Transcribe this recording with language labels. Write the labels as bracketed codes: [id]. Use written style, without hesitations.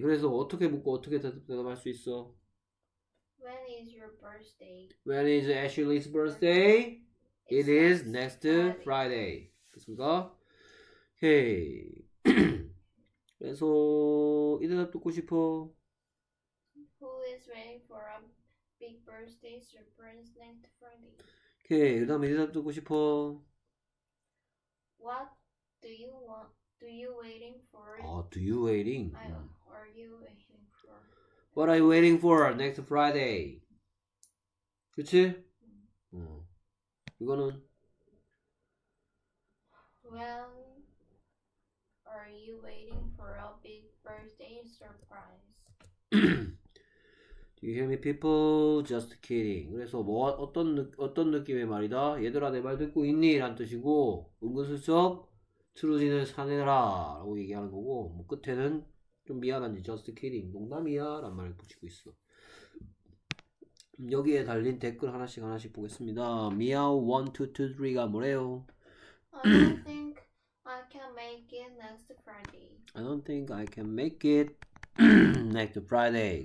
[ko] 그래서 어떻게 묻고 어떻게 대답할 수 있어? [en] When is your birthday? When is Ashley's birthday? It is next Friday. [ko] 됐습니까? 오케이. 그래서 이 대답 듣고 싶어. [en] Who is ready for a big birthday surprise next Friday? [ko] 오케이. 그 다음에 이 대답 듣고 싶어. [en] What do you want? Do you waiting for? Do you waiting? Are you waiting for? What are you waiting for next Friday? [ko] 그치? 이거는 [en] When are you waiting for a big birthday surprise? Do you hear me people? Just kidding. [ko] 그래서 뭐 어떤 느낌의 말이다? 얘들아 내 말 듣고 있니? 라는 뜻이고 은근슬쩍 트루진을 사내라 라고 얘기하는 거고 뭐 끝에는 좀 미안한지 [en] just kidding [ko] 농담이야 라는 말을 붙이고 있어. 여기에 달린 댓글 하나씩 보겠습니다. 미아우 1223가 뭐래요? [en] I don't think I can make it next Friday. I don't think I can make it next Friday.